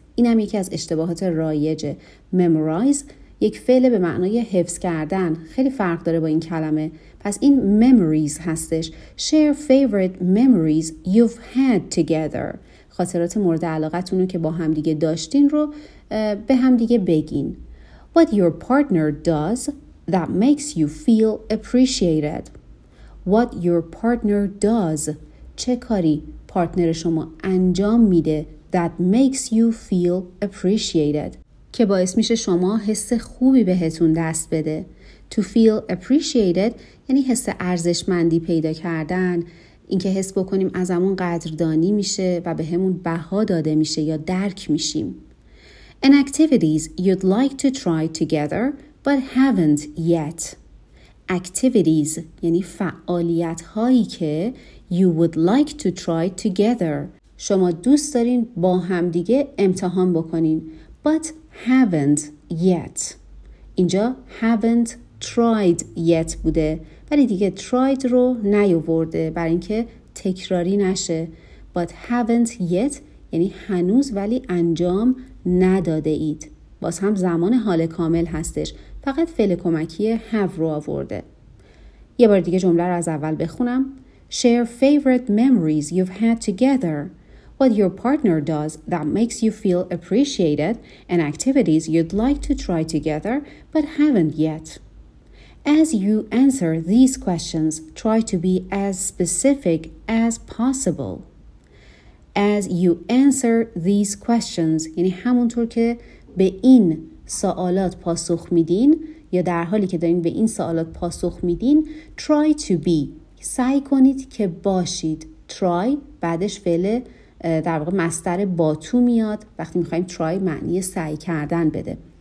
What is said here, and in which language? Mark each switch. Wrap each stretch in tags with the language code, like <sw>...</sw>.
<fa>اینم یکی از اشتباهات رایجه. Memorize یک فعل به معنای حفظ کردن، خیلی فرق داره با این کلمه. پس این</fa> <en>memories</en> <fa>هستش.</fa> <en>Share favorite memories you've had together.</en> <fa>خاطرات مورد علاقتون رو که با هم دیگه داشتین رو به هم دیگه بگین.</fa> <en>What your partner does that makes you feel appreciated. What your partner does،</en> <fa>چه کاری پارتنر شما انجام میده</fa> <en>that makes you feel appreciated.</en> <fa>که باعث میشه شما حس خوبی بهتون دست بده.</fa> <en>To feel appreciated</en> <fa>یعنی حس ارزشمندی پیدا کردن، اینکه حس بکنیم ازمون قدردانی میشه و بهمون بها داده میشه یا درک میشیم.</fa> <en>An activities you'd like to try together but haven't yet. Activities</en> <fa>یعنی فعالیت هایی که</fa> <en>you would like to try together.</en> <fa>شما دوست دارین با هم دیگه امتحان بکنین</fa> <en>but haven't yet.</en> <fa>اینجا</fa> <en>haven't tried yet</en> <fa>بوده، ولی دیگه tried رو نیوورده برای اینکه تکراری نشه.</fa> <en>But haven't yet</en> <fa>یعنی هنوز ولی انجام نداده اید. باز هم زمان حال کامل هستش، فقط فعل کمکی have رو آورده. یه بار دیگه جمله رو از اول بخونم.</fa> <en>Share favorite memories you've had together. What your partner does that makes you feel appreciated and activities you'd like to try together but haven't yet. As you answer these questions, try to be as specific as possible. As you answer these questions,</en> <fa>یعنی همونطور که به این سوالات پاسخ میدین یا در حالی که دارین به این سوالات پاسخ میدین،</fa> <en>try to be،</en> <fa>سعی کنید که باشید. Try بعدش فعل در واقع مصدر با تو میاد، وقتی میخواییم try معنی سعی کردن بده.</fa>